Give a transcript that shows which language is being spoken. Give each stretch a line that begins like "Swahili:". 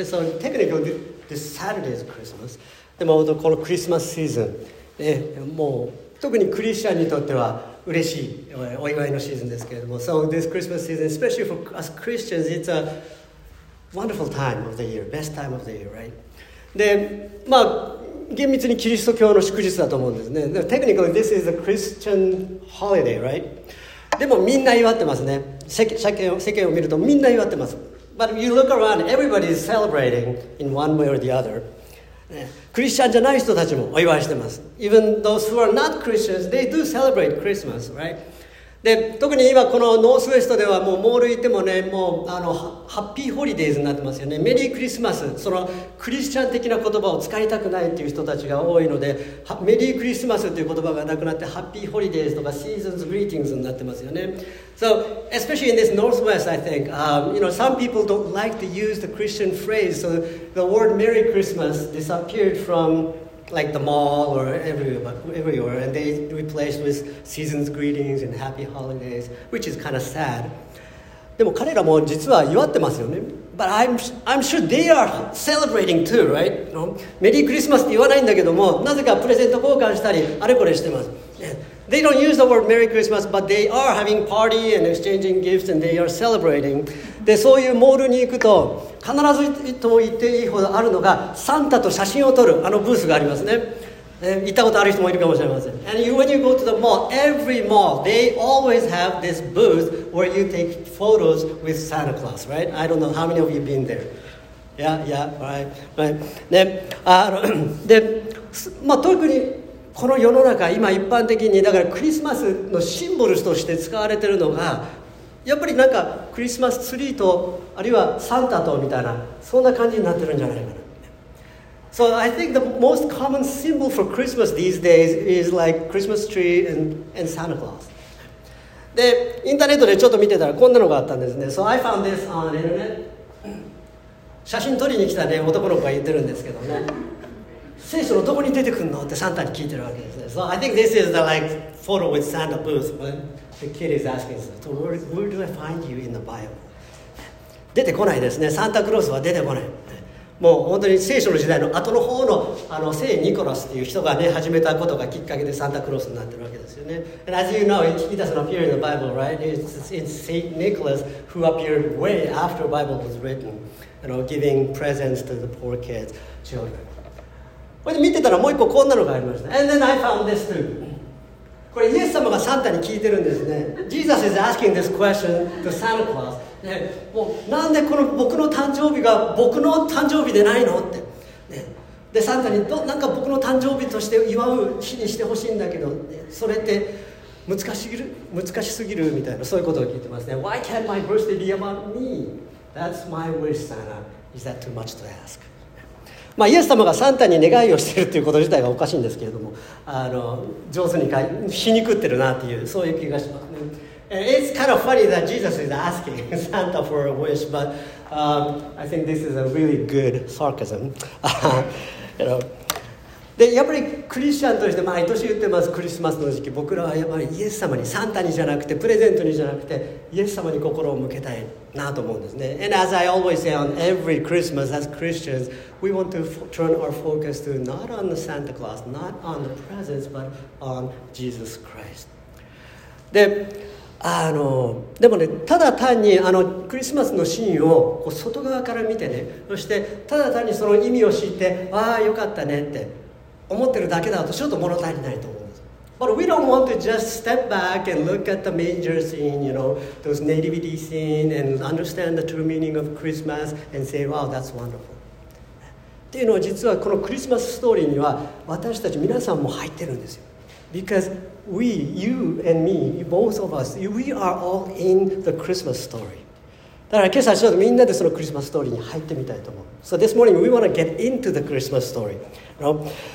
English: So technically this Saturday is Christmas。
Japanese: でもこのクリスマスシーズン、もう特にクリスチャンにとっては嬉しいお祝いのシーズンですけれども、
English: So this Christmas season, especially for us Christians, it's a wonderful time of the year, best time of the year, right?
Japanese: で、まあ厳密にキリスト教の祝日だと思うんですね。
English: Technically this is a Christian holiday, right?
Japanese: でもみんな祝ってますね。世間を見るとみんな祝ってます。
English: But if you look around, everybody is celebrating in one way or the other.
Japanese: クリスチャンじゃない人たちもお祝いしてます。
English: Even those who are not Christians, they do celebrate Christmas, right?
Japanese: で、特に今このノースウェストではもうモール行ってもね、もうハッピーホリデーズになってますよね。メリークリスマス、そのクリスチャン的な言葉を使いたくないっていう人たちが多いので、メリークリスマスという言葉がなくなって、ハッピーホリデーズとかシーズンズグリーティングズになってますよね。
English: So, especially in this Northwest, I think, you know, some people don't like to use the Christian phrase, so the word Merry Christmas disappeared from... like the mall or everywhere, and they replaced with season's greetings and happy holidays, which is kind of sad.
Japanese: でも彼らも実は祝ってますよね。
English: But I'm sure they are celebrating too, right? No?
Japanese: Merry Christmas って言わないんだけども、なぜかプレゼント交換したり、あれこれしてます。
English: They don't use the word Merry Christmas, but they are having party and exchanging gifts and they are celebrating.
Japanese: で、そういうモールに行くと、必ずと言っていいほどあるのが、サンタと写真を撮るあのブースがありますね。行ったことある人もいるかもしれません。
English: And you, when you go to the mall, every mall, they always have this booth where you take photos with Santa Claus, right? I don't know how many of you have been there. Yeah, right.
Japanese: で、まあ、特に、この世の中、今一般的に、だからクリスマスのシンボルとして使われているのが、やっぱりなんかクリスマスツリーと、あるいはサンタとみたいな、そんな感じになってるんじゃないかな。
English: So I think the most common symbol for Christmas these days is like Christmas tree and Santa Claus.
Japanese: で、インターネットでちょっと見てたらこんなのがあったんですね。
English: So I found this on the internet.
Japanese: 写真撮りに来たね、男の子が言ってるんですけどね。聖書のどこに出てくるのってサンタに聞いてるわけですね。
English: So I think this is the like photo with Santa booth. The kid is asking, so where do I find you in the Bible?
Japanese: 出てこないですね。サンタクロースは出てこない。もう本当に聖書の時代の後の方の、聖ニコラスっていう人がね、始めたことがきっかけでサンタクロースになってるわけですよね。
English: And as you know, he doesn't appear in the Bible, right? It's Saint Nicholas who appeared way after the Bible was written, you know, giving presents to the poor kids, children.
Japanese: これで見てたらもう一個こんなのがありました。
English: And then I found this too.
Japanese: これイエス様がサンタに聞いてるんですね。
English: Jesus is asking this question to Santa Claus.
Japanese: もうなんでこの僕の誕生日が僕の誕生日でないのって、ね。で、サンタになんか僕の誕生日として祝う日にしてほしいんだけど、ね、それって難しすぎるみたいな、そういうことを聞いてますね。
English: Why can't my birthday be about me? That's my wish, Santa. Is that too much to ask?
Japanese: まあ、イエス様がサンタに願いをしているということ自体がおかしいんですけれども、上手に皮肉ってるなっていう、そういう気がしますね。
English: It's kind of funny that Jesus is asking Santa for a wish, but I think this is a really good sarcasm. you know.
Japanese: で、やっぱりクリスチャンとして毎年言ってます、クリスマスの時期、僕らはやっぱりイエス様に、サンタにじゃなくて、プレゼントにじゃなくて、イエス様に心を向けたいなと思うんですね。
English: And as I always say on every Christmas as Christians, we want to turn our focus to not on the Santa Claus, not on the presents, but on Jesus Christ.
Japanese: でもね、ただ単にクリスマスのシーンをこう外側から見てね、そしてただ単にその意味を知って、ああ、よかったねって思ってるだけだとちょっと物足りないと思うんです。
English: But we don't want to just step back and look at the manger scene, you know, those nativity scene and understand the true meaning of Christmas and say, wow, that's wonderful.
Japanese: っていうのは実はこのクリスマスストーリーには私たち皆さんも入ってるんですよ。
English: Because we, you and me, both of us, we are all in the Christmas story.
Japanese: だから今朝ちょっとみんなでそのクリスマスストーリーに入ってみたいと思う。
English: So this morning we want to get into the Christmas story, you know?